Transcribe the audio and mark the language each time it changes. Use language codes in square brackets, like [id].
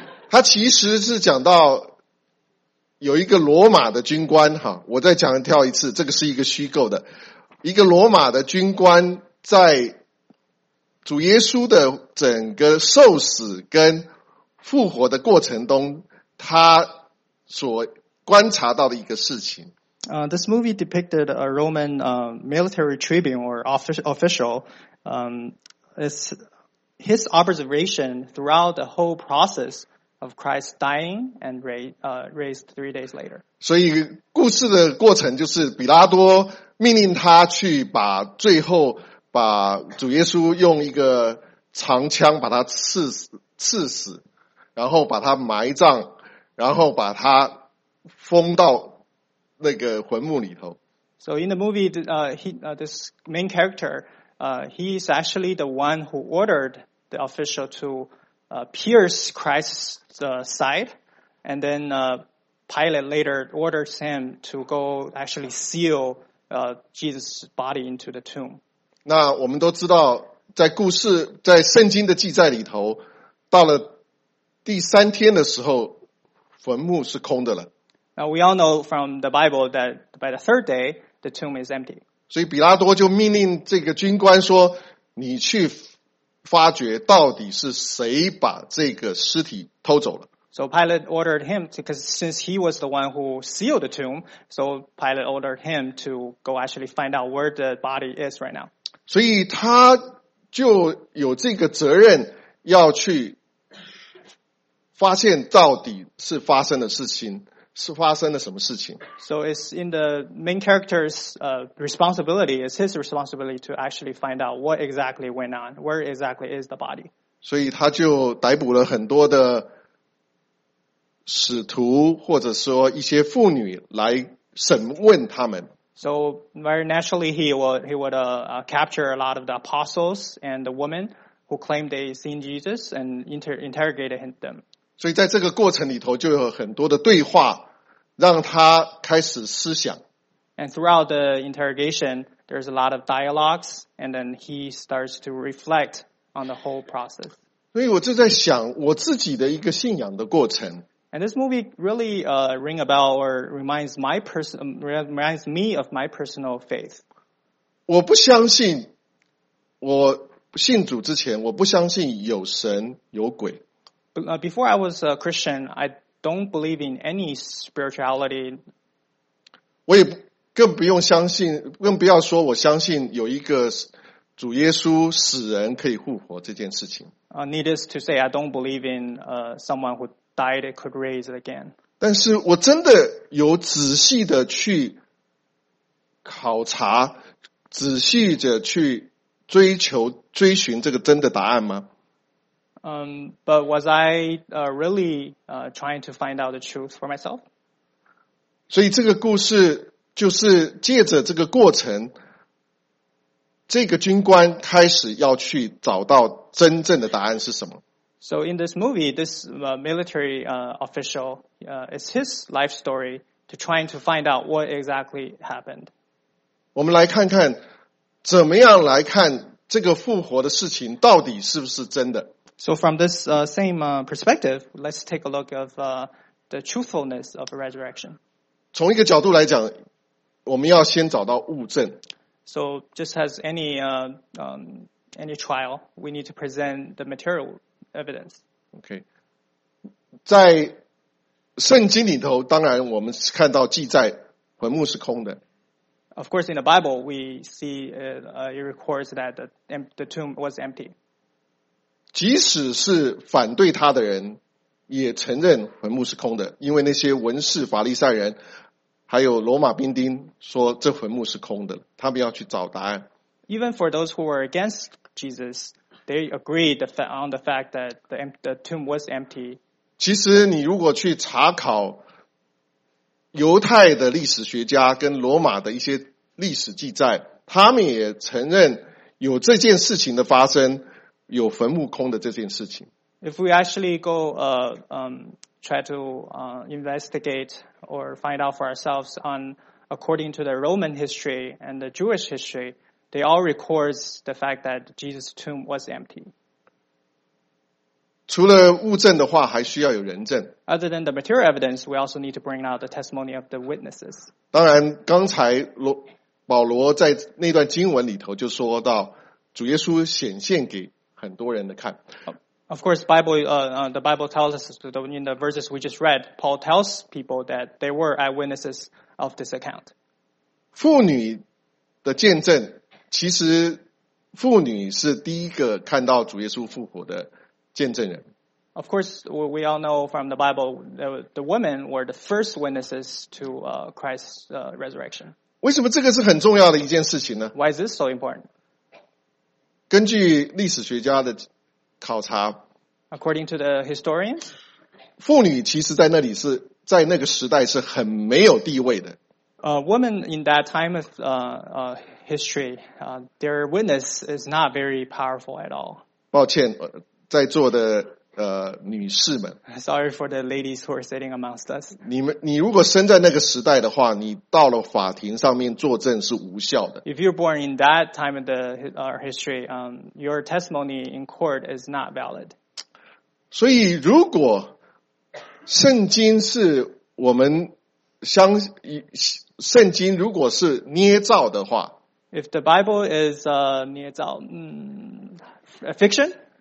[zh] 他其实是讲到有一个罗马的军官哈，我再讲跳一次，这个是一个虚构的。一个罗马的军官在主耶稣的整个受死跟复活的过程中，他所观察到的一个事情。 [en] This movie depicted a Roman military tribune or official. It's his observation throughout the whole process of Christ dying and raised 3 days later. [zh] 所以故事的过程就是比拉多命令他去把最后把主耶稣用一个长枪把他刺死，然后把他埋葬，然后把他封到那个坟墓里头。 [en] So in the movie, this main character, he is actually the one who ordered the official to pierce Christ's side, and then Pilate later orders him to go actually seal. Jesus' body into the tomb. [zh] 那我们都知道，在故事，在圣经的记载里头，到了第三天的时候，坟墓是空的了。 [en] Now we all know from the Bible that by the third day, the tomb is empty. [zh] 所以比拉多就命令这个军官说：“你去发掘到底是谁把这个尸体偷走了。” [en] So Pilate ordered him, because since he was the one who sealed the tomb, so Pilate ordered him to go actually find out where the body is right now. [zh] 所以他就有这个责任要去发现到底是发生的事情，是发生了什么事情。 [en] So it's in the main character's responsibility, it's his responsibility to actually find out what exactly went on, where exactly is the body. [zh] 所以他就逮捕了很多的使徒或者说一些妇女来审问他们。 [en] So very naturally he would capture a lot of the apostles and the women who claimed they seen Jesus and interrogated them. [zh] 所以在这个过程里头就有很多的对话让他开始思想。 [en] And throughout the interrogation, there's a lot of dialogues and then he starts to reflect on the whole process. [zh] 所以我就在想我自己的一个信仰的过程。 [en] And this movie really ring a bell or reminds me of my personal faith. [zh] 我不相信我信主之前，我不相信有神有鬼。 [en] Before I was a Christian, I don't believe in any spirituality. [zh] 我也更不用相信，更不要说我相信有一个主耶稣死人可以复活这件事情。 [en] Needless to say, I don't believe in someone who died and could raise it again. [zh] 但是我真的有仔细的去考察，仔细的去追求，追寻这个真的答案吗？ [en] But was I really trying to find out the truth for myself? [zh] 所以这个故事就是借着这个过程，这个军官开始要去找到真正的答案是什么。 [en] So in this movie, this military official, it's his life story to trying to find out what exactly happened. [zh] 我们来看看怎么样来看这个复活的事情到底是不是真的。 [en] So from this same perspective, let's take a look of the truthfulness of a resurrection. [zh] 从一个角度来讲，我们要先找到物证。 [en] So just as any trial, we need to present the material evidence. Okay. [zh] 在圣经里头，当然我们看到记载坟墓是空的。 [en] Of course, in the Bible, we see it records that the tomb was empty. [zh] 即使是反对他的人，也承认坟墓是空的，因为那些文士、法利赛人。还有罗马兵丁说这坟墓是空的，他们要去找答案。 [en] Even for those who were against Jesus, they agreed on the fact that the tomb was empty. [zh] 其实你如果去查考犹太的历史学家跟罗马的一些历史记载，他们也承认有这件事情的发生，有坟墓空的这件事情。 [en] If we actually go, try to investigate or find out for ourselves on according to the Roman history and the Jewish history, they all record the fact that Jesus' tomb was empty. [zh] 除了物证的话，还需要有人证。 [en] Other than the material evidence, we also need to bring out the testimony of the witnesses. [zh] 当然，刚才保罗在那段经文里头就说到，主耶稣显现给很多人的看。 [en] Of course, the Bible tells us in the verses we just read, Paul tells people that they were eyewitnesses of this account. [zh] 妇女的见证，其实妇女是第一个看到主耶稣复活的见证人。 [en] Of course, we all know from the Bible, the women were the first witnesses to Christ's resurrection. [zh] 为什么这个是很重要的一件事情呢？ [en] Why is this so important? [zh] 根据历史学家的考察 [en] ，According to the historians， [zh] 妇女其实在那里是在那个时代是很没有地位的。 [en] Women in that time of history, their witness is not very powerful at all. [zh] 抱歉，在座的女士们 [en] ，Sorry for the ladies who are sitting amongst us. [zh] 你如果生在那个时代的话，你到了法庭上面作证是无效的。 [en] If you're born in that time of the history, your testimony in court is not valid. [zh] 所以，如果圣经是我们相圣经如果是捏造的话 [en] ，If the Bible is [zh] 捏造， [en] a fiction。